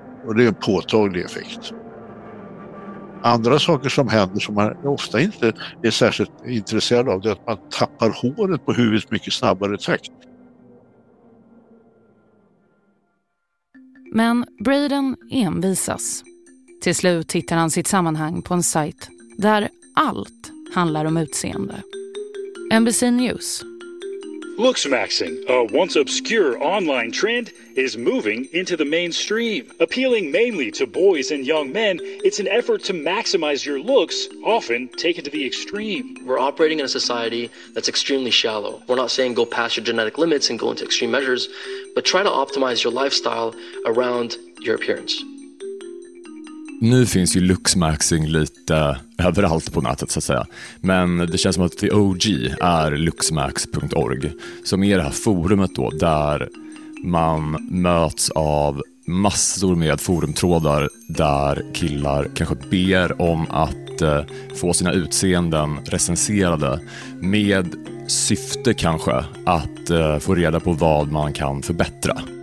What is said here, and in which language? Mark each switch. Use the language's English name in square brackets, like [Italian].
[Swedish] Och det är en påtaglig effekt. Andra saker som händer som man ofta inte är särskilt intresserad av, det är att man tappar håret på huvudet mycket snabbare takt. Men Braden envisas. Till slut hittar han sitt sammanhang på en sajt där allt handlar om utseende. [English] NBC News. Looks maxing, a once obscure online trend, is moving into the mainstream. Appealing mainly to boys and young men, it's an effort to maximize your looks, often taken to the extreme. We're operating in a society that's extremely shallow. We're not saying go past your genetic limits and go into extreme measures, but try to optimize your lifestyle around your appearance. [Swedish] Nu finns ju looksmaxing lite överallt på nätet så att säga. Men det känns som att [English] the OG [Swedish] är looksmax.org som är det här forumet då där man möts av massor med forumtrådar där killar kanske ber om att få sina utseenden recenserade med syfte kanske att få reda på vad man kan förbättra.